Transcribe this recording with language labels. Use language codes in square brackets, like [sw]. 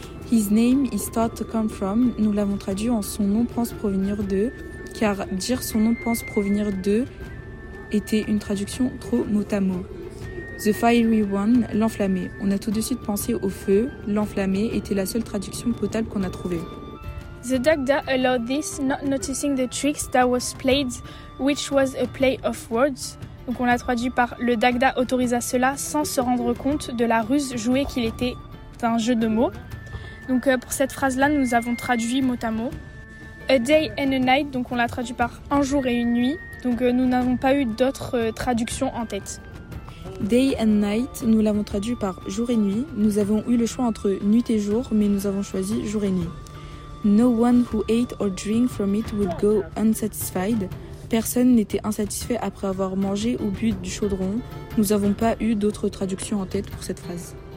[en] His name is thought to come from, [fr] nous l'avons traduit en son nom pense provenir de, car dire son nom pense provenir de était une traduction trop mot à mot. [en] The Fiery One, [fr] l'enflammé. On a tout de suite pensé au feu. L'enflammé était la seule traduction potable qu'on a trouvée. [en] The Dagda allowed this, not noticing the tricks that was played, which was a play of words. [fr] Donc on l'a traduit par le Dagda autorisa cela sans se rendre compte de la ruse jouée qu'il était un jeu de mots. Donc pour cette phrase-là, nous avons traduit mot à mot. [en] A day and a night, [fr] donc on l'a traduit par un jour et une nuit. Donc nous n'avons pas eu d'autres traductions en tête. [en] Day and night, [fr] nous l'avons traduit par jour et nuit. Nous avons eu le choix entre nuit et jour, mais nous avons choisi jour et nuit. [en] No one who ate or drank from it would go unsatisfied. [fr] Personne n'était insatisfait après avoir mangé ou bu du chaudron. Nous n'avons pas eu d'autres traductions en tête pour cette phrase.